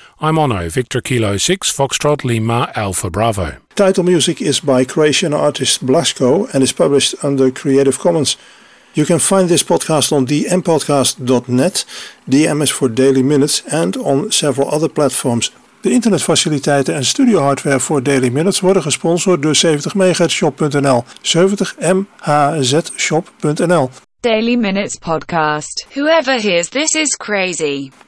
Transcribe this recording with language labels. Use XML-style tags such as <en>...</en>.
<en>I'm Onno, Victor Kilo 6, Foxtrot Lima Alpha Bravo. Title music is by Croatian artist Blasko and is published under Creative Commons. You can find this podcast on dmpodcast.net, DM is for Daily Minutes, and on several other platforms.</en> <nl>De internetfaciliteiten en studio hardware voor Daily Minutes worden gesponsord door 70MHzShop.nl. 70MHzShop.nl.</nl> <en>Daily Minutes Podcast. Whoever hears this is crazy.</en>